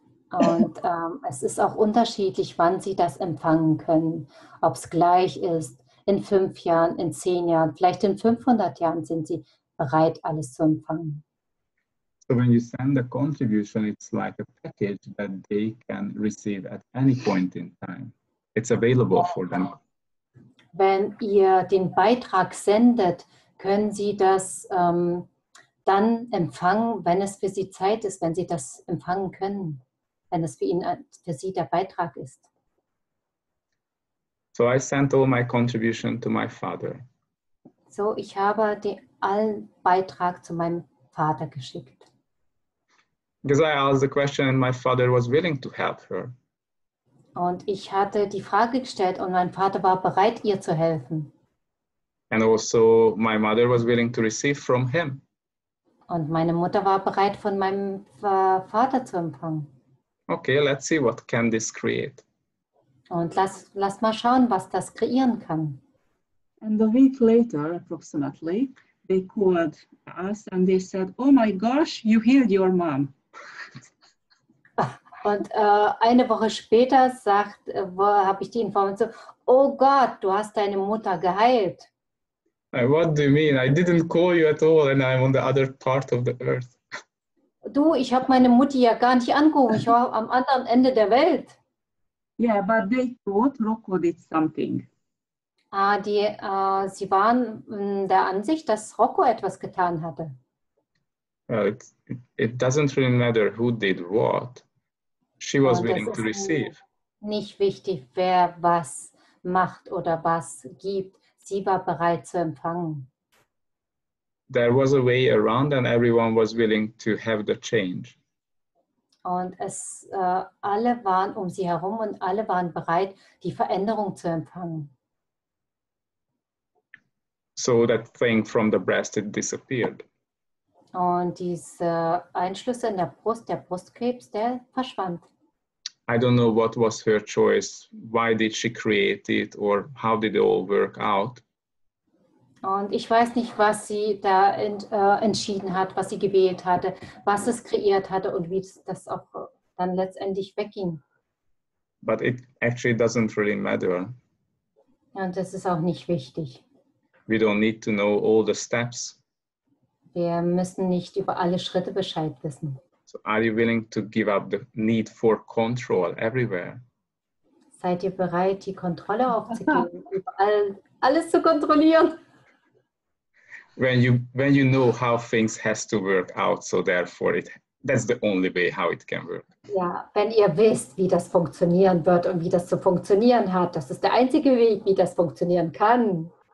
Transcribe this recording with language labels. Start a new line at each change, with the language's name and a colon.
German: Und es ist auch unterschiedlich, wann sie das empfangen können. Ob es gleich ist, in 5 Jahren, in 10 Jahren, vielleicht in 500 Jahren sind sie bereit, alles zu empfangen.
English: So when you send a contribution, it's like a package that they can receive at any point in time. It's available for them.
German: Wenn ihr den Beitrag sendet, können sie das dann empfangen, wenn es für sie Zeit ist, wenn sie das empfangen können, wenn es für sie der Beitrag ist.
English: So I sent all my contribution to my father.
German: So ich habe den allen Beitrag zu meinem Vater geschickt.
English: Because I asked the question and my father was willing to help her.
German: Und ich hatte die Frage gestellt und mein Vater war bereit, ihr zu helfen.
English: And also my mother was willing to receive from him.
German: Und meine Mutter war bereit, von meinem Vater zu empfangen.
English: Okay, let's see what can this create.
German: Und lass mal schauen, was das kreieren kann.
English: And a week later, approximately, they called us and they said, oh my gosh, you healed your mom.
German: Und eine Woche später habe ich die Information, oh Gott, du hast deine Mutter geheilt.
English: What do you mean? I didn't call you at all and I'm on the other part of the earth.
German: Du, ich habe meine Mutti ja gar nicht angerufen. Ich war am anderen Ende der Welt.
English: Yeah, but they thought Rocco did something.
German: Sie waren der Ansicht, dass Rocco etwas getan hatte.
English: It doesn't really matter who did what. She was willing to receive.
German: Nicht wichtig, wer was macht oder was gibt. Sie war bereit zu empfangen.
English: There was a way around and everyone was willing to have the change.
German: Und es alle waren um sie herum und alle waren bereit, die Veränderung zu empfangen.
English: So that thing from the breast, it disappeared.
German: Und diese Einschlüsse in der Brust, der Brustkrebs, der verschwand.
English: I don't know what was her choice, why did she create it, or how did it all work out.
German: Und ich weiß nicht, was sie da entschieden hat, was sie gewählt hatte, was es kreiert hatte und wie das auch dann letztendlich wegging.
English: But it actually doesn't really matter.
German: Und das ist auch nicht wichtig.
English: We don't need to know all the steps.
German: Wir müssen nicht über alle Schritte Bescheid wissen.
English: So are you willing to give up the need for control everywhere?
German: Seid ihr bereit, die Kontrolle aufzugeben, überall alles zu kontrollieren?
English: When you know how things has to work out, so therefore that's the only way how it can work.
German: Ja, wenn ihr wisst, wie das funktionieren wird und wie das zu funktionieren hat, das ist der einzige Weg, wie das funktionieren kann.